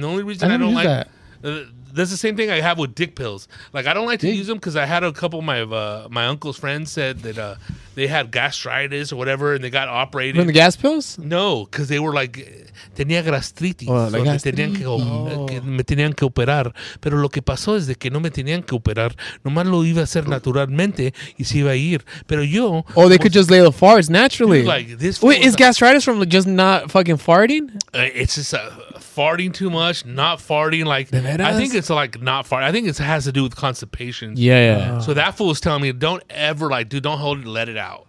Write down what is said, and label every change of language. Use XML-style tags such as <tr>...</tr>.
<en>And the only reason I don't like that. That's the same thing I have with dick pills. Like, I don't like to use them because I had a couple of my uncle's friends said that they had gastritis or whatever, and they got operated. From the gas pills? No, because they were like,</en> <es>tenía gastritis. Me tenían que operar. Pero lo que pasó es de que no me tenían que operar. Nomás lo iba a hacer naturalmente y se iba a ir. Pero yo...</es> <en>Oh, they could just lay the farts naturally. Dude, like, this wait, is gastritis from just not fucking farting? It's just farting too much, not farting. Like, I think it's like not farting. I think it has to do with constipation. Yeah, yeah. So that fool was telling me, don't ever, like, dude, don't hold it, let it out.</en>